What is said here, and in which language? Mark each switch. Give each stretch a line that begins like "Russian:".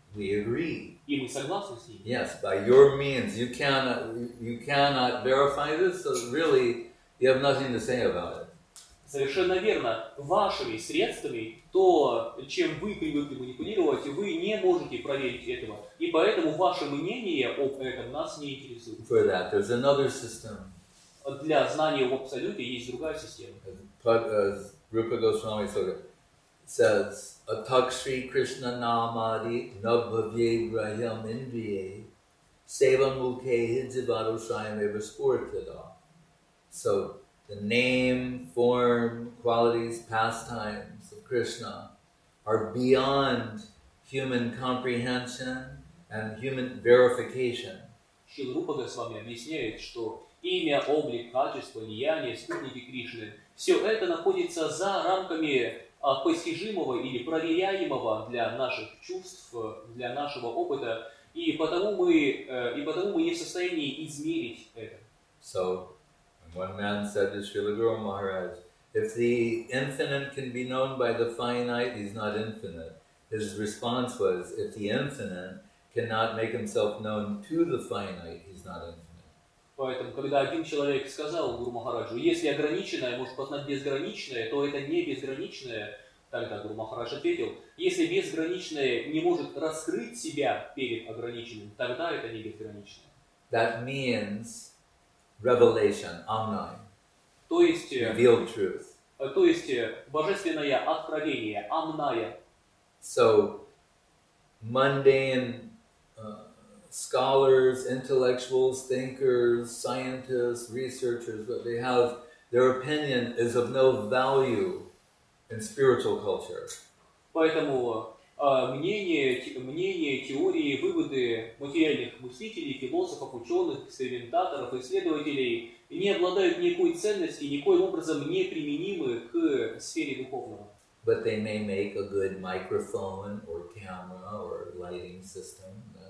English: We agree.
Russian: И мы согласны с ними.
English: Yes, by your means you cannot verify this, so really you have nothing to say about it.
Russian: Совершенно верно. Вашими средствами, то, чем вы привыкли манипулировать, вы не можете проверить этого. И поэтому ваше мнение об этом нас не интересует.
English: For that, there's another system.
Russian: Для знания в абсолюте есть другая система.
English: As Rupa Goswami says,
Sanskrit: Atak Shri Krishna Namadi Nabhavye Grahyam Indriye Sevam Mukhe Hidzibhado Shriyam Eva Spurthida.
English: So, the name, form, qualities, pastimes of Krishna are beyond human comprehension and human verification.
Russian: Шрила Рупа Госвами объясняет, что имя, облик, качество, деяния, спутники Кришны, все это находится за рамками постижимого или проверяемого для наших чувств, для нашего опыта, и потому мы не в состоянии измерить это.
English: So, one man said to Srila Guru Maharaj, if the infinite can be known by the finite, he's not infinite. His response was, if the infinite cannot make himself known to the finite, he's not infinite.
Russian: Поэтому, когда один человек сказал Гуру Махараджу, если ограниченное может познать безграничное, то это не безграничное, тогда Гуру Махарадж ответил, если безграничное не может раскрыть себя перед ограниченным, тогда это не безграничное.
English: That means revelation, Amnai.
Russian: То есть,
English: revealed truth.
Russian: То есть, божественное откровение, Амная.
English: So, mundane scholars, intellectuals, thinkers, scientists, researchers, what they have, their opinion is of no value in spiritual culture.
Russian: Поэтому мнения, теории, выводы материальных мыслителей, философов, ученых, экспериментаторов, исследователей не обладают никакой ценностью, никоим образом не применимы к сфере духовного.
English: But they may make a good microphone or camera or lighting system.